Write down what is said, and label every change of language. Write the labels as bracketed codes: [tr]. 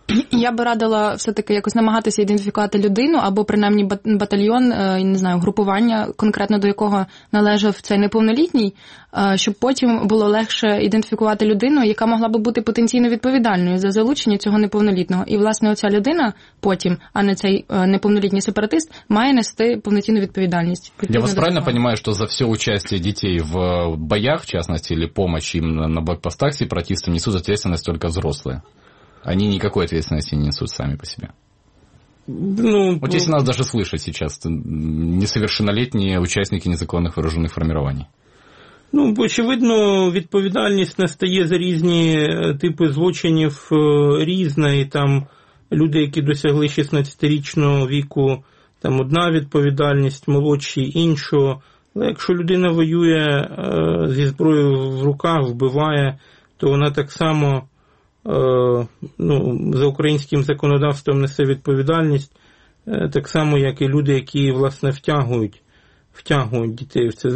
[uk] Я би радила все-таки якось намагатися ідентифікувати людину, або принаймні батальйон, не знаю, групування, конкретно до якого належав цей неповнолітній, щоб потім було легше ідентифікувати людину, яка могла би бути потенційно відповідальною за залучення цього неповнолітнього. І, власне, оця людина потім, а не цей неповнолітній сепаратист, має нести повноцінну відповідальність. Я вас правильно розумію, що за все участь дітей в боях, в частності, або допомогу їм на блокпостах, сепаратисти несуть відповідальність тільки зрослі? [ru] Они никакой ответственности не несут сами по себе. Ну, вот если нас даже слышат сейчас несовершеннолетние участники незаконных вооруженных формирований. [uk] Ну, очевидно, відповідальність настає за різні типи злочинів різна, і там люди, які досягли 16-річного віку, там одна відповідальність, молодші іншу. Але якщо людина воює зі зброєю в руках, вбиває, то вона так само, ну, за українським законодавством несе відповідальність так само, як і люди, які, власне, втягують дітей в це.